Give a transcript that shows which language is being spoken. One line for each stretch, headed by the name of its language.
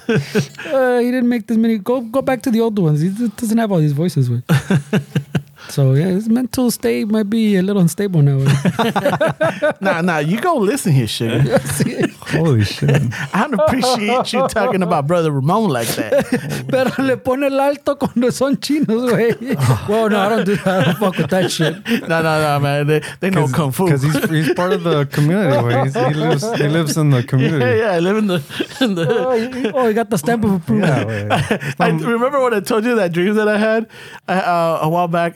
English: He didn't make this many. Go back to the old ones. He doesn't have all these voices. Way. So, yeah, his mental state might be a little unstable now. Nah, you go listen here, sugar. Holy shit. I don't appreciate you talking about Brother Ramon like that.
Spanish: Pero le pone el alto cuando son chinos, güey.
English: Well, no, I don't do that. I don't fuck with that shit. No, man. They know kung fu. Because he's part of the community, güey. He lives in the community. Yeah, I live in the Oh, he got the stamp of approval. Yeah, I remember when I told you that dream that I had a while back.